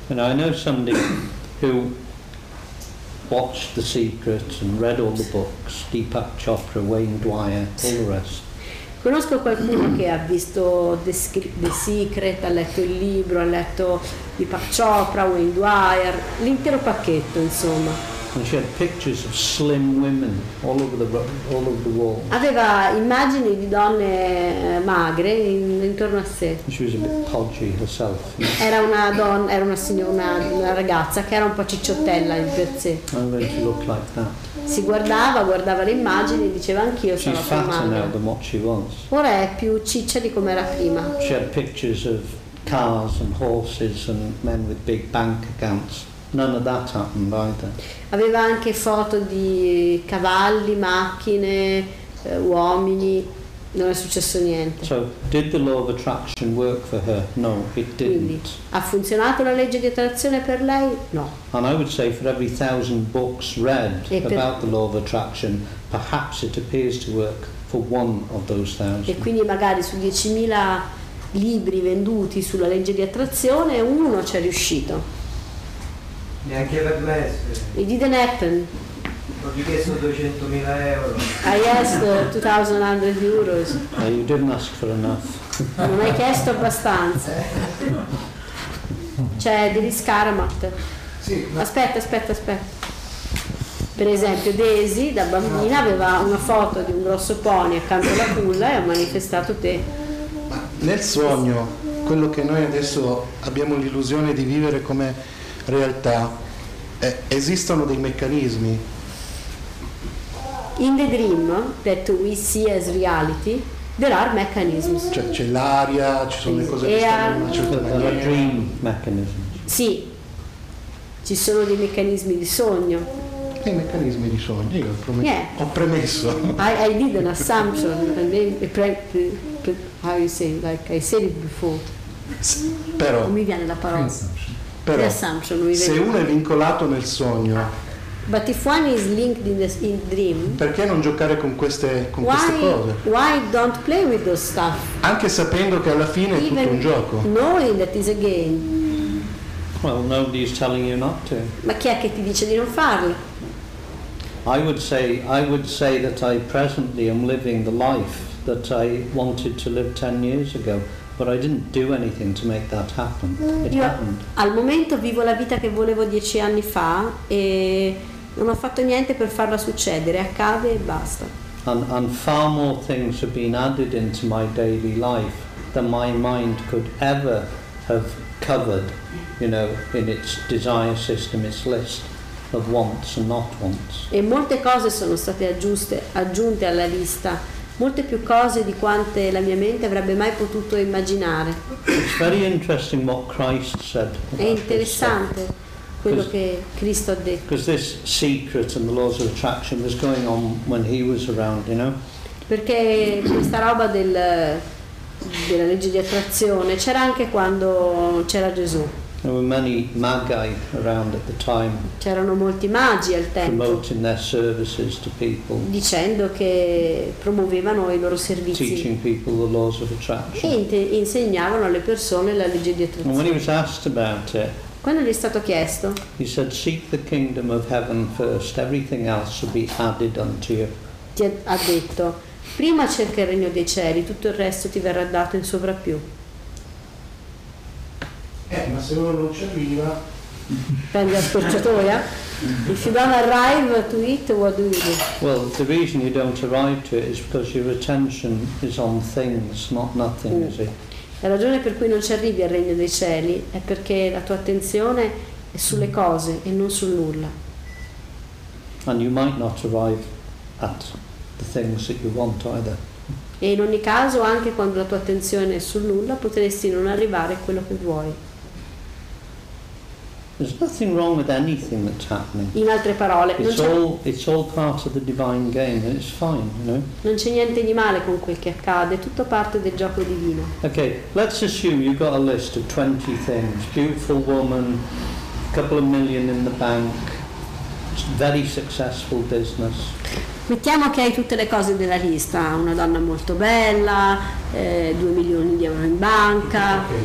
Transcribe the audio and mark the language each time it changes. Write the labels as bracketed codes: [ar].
[en] And I know somebody who watched The Secret and read all the books, Deepak Chopra, Wayne Dyer, all the rest. [it] Conosco qualcuno che ha visto The Secret, ha letto il libro, ha letto Deepak Chopra, Wayne Dyer, l'intero pacchetto, insomma. [en] And she had pictures of slim women all over the wall. [it] Aveva immagini di donne magre intorno a sé. [en] She was a bit podgy herself. [it] Era una donna, era una signora, una ragazza che era un po' cicciottella in per sé. [en] I'm going to look like that. [it] Si guardava le immagini e diceva anch'io sono [en] She's fatter now than what she was. [it] Ora è più ciccia di come era prima. [en] She had pictures of cars and horses and men with big bank accounts. None of that happened either. [it] Aveva anche foto di cavalli, macchine, uomini, non è successo niente. [en] So, did the law of attraction work for her? No, it didn't. [it] Quindi, ha funzionato la legge di attrazione per lei? No. [en] And I would say for every 1,000 books read about the law of attraction, perhaps it appears to work for one of those 1,000. [it] E quindi magari su 10,000 libri venduti sulla legge di attrazione, uno ci è riuscito. Neanche per [en] me. It didn't happen. [it] Ho chiesto 200.000 euro. [en] I asked 2,000 euros. No, you didn't ask for enough. [it] Non hai chiesto abbastanza. C'è degli Scaramat. Sì. Aspetta. Per esempio, Daisy da bambina aveva una foto di un grosso pony accanto alla culla e ha manifestato te. Ma nel sogno, quello che noi adesso abbiamo l'illusione di vivere come realtà, esistono dei meccanismi. [en] In the dream that we see as reality, there are mechanisms. [it] Cioè c'è l'aria, ci sono le cose che stanno in una certa maniera. [en] There are dream mechanisms. [it] Sì, ci sono dei meccanismi di sogno. Dei meccanismi di sogno, io ho premesso. [en] I did an assumption, and then how you say, like I said it before. [it] Però mi viene la parola. Però, se uno è vincolato nel sogno. [en] But if one is linked in dream. [it] Perché non giocare con queste cose? [en] Why don't play with those stuff? [it] Anche sapendo che alla fine [en] even [it] è tutto un gioco. [en] Knowing that is a game. Well, nobody is telling you not to. [it] Ma chi è che ti dice di non farlo? [en] I would say that I presently am living the life that I wanted to live 10 years ago. But I didn't do anything to make that happen. It happened. [it] Al momento vivo la vita che volevo 10 anni fa e non ho fatto niente per farla succedere. Accade e basta. [en] And far more things have been added into my daily life than my mind could ever have covered, you know, in its desire system, its list of wants and not wants. [it] E molte cose sono state aggiunte alla lista. Molte più cose di quante la mia mente avrebbe mai potuto immaginare. [en] It's very interesting what Christ said. [it] È interessante quello che Cristo ha detto. [en] Because this secret and the laws of attraction was going on when he was around, you know? [it] Perché questa roba della legge di attrazione c'era anche quando c'era Gesù. [en] There were many magi around at the time. [it] C'erano molti magi al tempo. [en] Promoting their services to people. [it] Dicendo che promuovevano i loro servizi. [en] Teaching people the laws of attraction. [it] E insegnavano alle persone la legge di attrazione. [en] And when he was asked about it. [it] Quando gli è stato chiesto. [en] He said, "Seek the kingdom of heaven first. Everything else will be added unto you." [it] Ti ha detto, prima cerca il regno dei cieli, tutto il resto ti verrà dato in sovrappiù. Ma se uno non ci arriva prendi la scorciatoia. [en] If you don't arrive to it, what do you do? Well, the reason you don't arrive to it is because your attention is on things, not nothing, is it? [it] La ragione per cui non ci arrivi al regno dei cieli è perché la tua attenzione è sulle cose e non sul nulla. [en] And you might not arrive at the things that you want either. [it] E in ogni caso, anche quando la tua attenzione è sul nulla, potresti non arrivare a quello che vuoi. [en] There's nothing wrong with anything that's happening. [it] In altre parole, [en] it's all part of the divine game, and it's fine, you know. [it] Non c'è niente di male con quel che accade, tutto parte del gioco divino. [en] Okay, let's assume you've got a list of 20 things: beautiful woman, couple of million in the bank, very successful business. [it] Mettiamo che hai tutte le cose della lista: una donna molto bella, 2 milioni di euro in banca.